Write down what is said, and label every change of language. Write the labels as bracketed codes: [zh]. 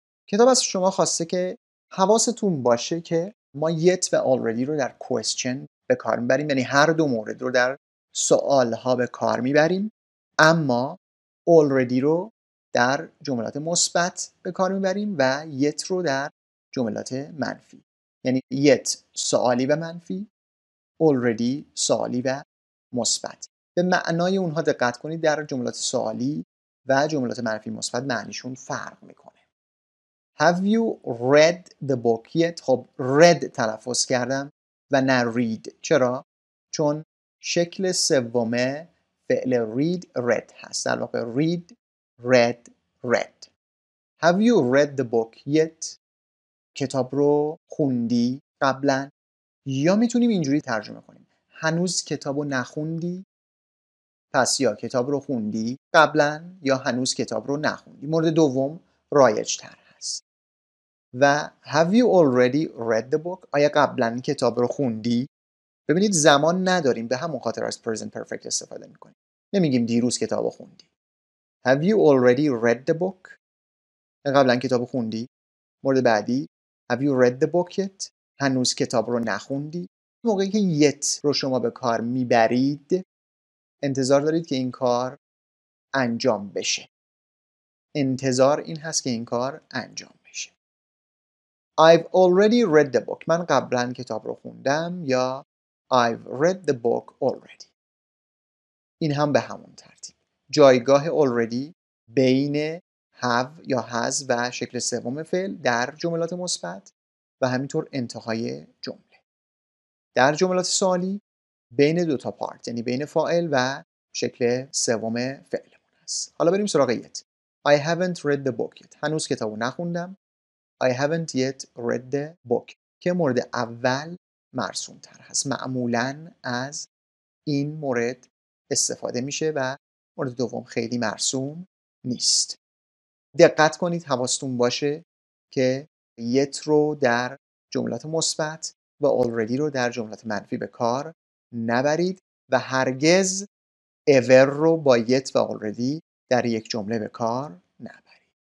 [fa] کتاب از شما خواسته که حواستون باشه که ما yet و already رو در question به کار میبریم، یعنی هر دو مورد رو در سوال‌ها به کار میبریم، اما already رو در جملات مثبت به کار میبریم و yet رو در جملات منفی. یعنی yet سوالی و منفی، already سوالی و مثبت. به معنای اونها دقت کنید، در جملات سوالی و جملات منفی مثبت معنیشون فرق میکنه. [en] Have you read the book yet؟ [fa] خب read تلفظ کردم و نه read. چرا؟ چون شکل سوم فعل read read هست. در واقع [en] read read read. Have you read the book yet؟ [fa] کتاب رو خوندی قبلا؟ یا میتونیم اینجوری ترجمه کنیم، هنوز کتاب رو نخوندی؟ پس یا کتاب رو خوندی قبلا یا هنوز کتاب رو نخوندی. مورد دوم رایج تر هست. و [en] Have you already read the book؟ [fa] آیا قبلا کتاب رو خوندی؟ ببینید زمان نداریم، به همون خاطر از present perfect استفاده میکنیم، نمیگیم دیروز کتاب رو خوندی. [en] Have you already read the book؟ [fa] قبلا کتاب رو خوندی. مورد بعدی Have you read the book yet؟ هنوز کتاب رو نخوندی؟ موقعی که yet رو شما به کار میبرید انتظار دارید که این کار انجام بشه. انتظار این هست که این کار انجام بشه. [en] I've already read the book. [fa] من قبلا کتاب رو خوندم، یا [en] I've read the book already. [fa] این هم به همون ترتیب. جایگاه already بین have یا has و شکل سوم فعل در جملات مثبت و همینطور انتهای جمله. در جملات سوالی بین دوتا پارت، یعنی بین فاعل و شکل سوم فعلمون است. حالا بریم سراغ yet. [en] I haven't read the book yet. [fa] هنوز کتابو نخوندم. [en] I haven't yet read the book. [fa] که مورد اول مرسوم تر هست. معمولاً از این مورد استفاده میشه و مورد دوم خیلی مرسوم نیست. دقت کنید، حواستون باشه که yet رو در جملات مثبت و already رو در جملات منفی به کار نبرید و هرگز ever رو با yet و already در یک جمله به کار نبرید.